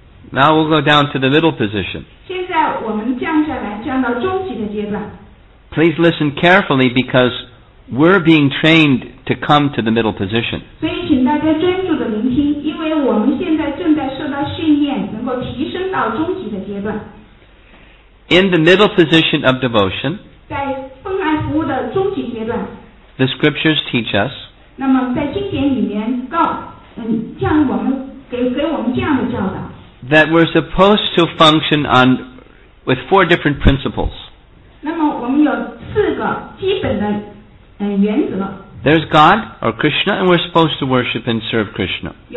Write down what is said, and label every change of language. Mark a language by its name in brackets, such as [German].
[English] Now we'll go down to the middle position. [Chinese] 现在我们降下来，降到中级的阶段。 [English] Please listen carefully because we're being trained to come to the middle position. [Chinese] 所以请大家专注的聆听，因为我们现在正在受到训练，能够提升到中级的阶段。 [English] In the middle position of devotion, [Chinese] 在奉爱服务的中级阶段。 [English] The scriptures teach us. [Chinese] 那么在经典里面告，这样我们给我们这样的教导。 [English] That we're supposed to function on with four different principles. [Chinese] 那么我们有四个基本的原则。 [English] There's God or Krishna, and we're supposed to worship and serve Krishna.